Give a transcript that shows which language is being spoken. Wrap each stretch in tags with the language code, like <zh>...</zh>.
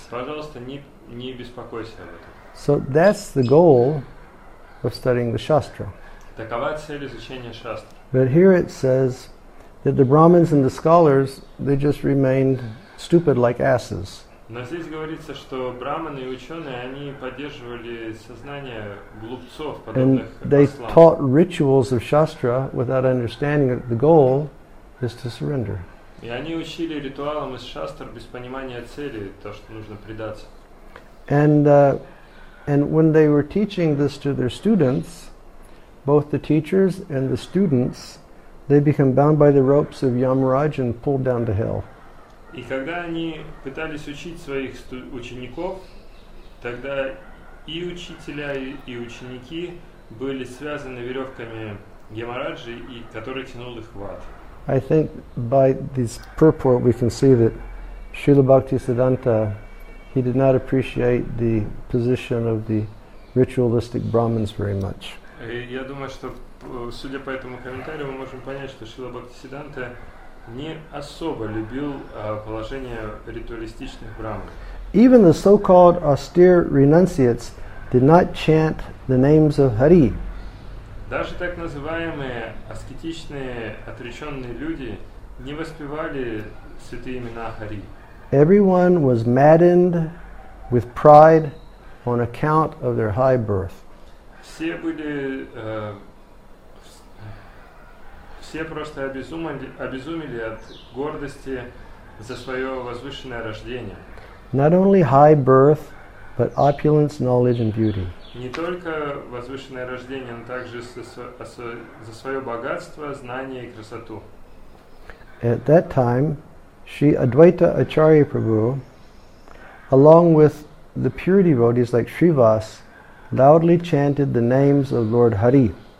<ru>Пожалуйста, не беспокойся об этом.</ru> <en>So that's the goal of studying the shastra.</en> <ru>Такова цель изучения шастры.</ru> <en>But here it says that the brahmins and the scholars, they just remained stupid like asses.</en> <ru>Но здесь говорится, что браманы и ученые, они поддерживали сознание глупцов, подобных</ru> <en>and they</en> <ru>послам.</ru> <en>Taught rituals of shastra without understanding that the goal is to surrender.</en> <ru>И они учили ритуалам из шастр без понимания цели, то, что нужно предаться.</ru> <en>And when they were teaching this to their students, both the teachers and the students, they become bound by the ropes of Yamaraj and pulled down to hell.</en> <ru>И когда они пытались учить своих учеников, тогда и учителя, и ученики были связаны веревками Ямараджи, и который тянул их в ад.</ru> <en>I think by this purport we can see that Srila Bhaktisiddhanta, he did not appreciate the position of the ritualistic Brahmins very much.</en> <ru>Я думаю, что судя по этому комментарию, мы можем понять, что Шрила Бхактисиддханта не особо любил положение ритуалистичных браманов.</ru> <en>Even the so-called austere renunciates did not chant the names of Hari.</en> <ru>Даже так называемые аскетичные отреченные люди не воспевали святые имена Хари.</ru> <en>Everyone was maddened with pride on account of their high birth.</en> <ru>Все были все просто обезумели от гордости за свое возвышенное рождение.</ru> <en>Not only high birth, but opulence, knowledge and beauty.</en> <ru>Не только возвышенное рождение, но также за свое богатство, знание и красоту.</ru> <en>At that time, Sri Advaita Acharya Prabhu, along with the pure devotees like Srivas, loudly chanted the names of Lord Hari.</en>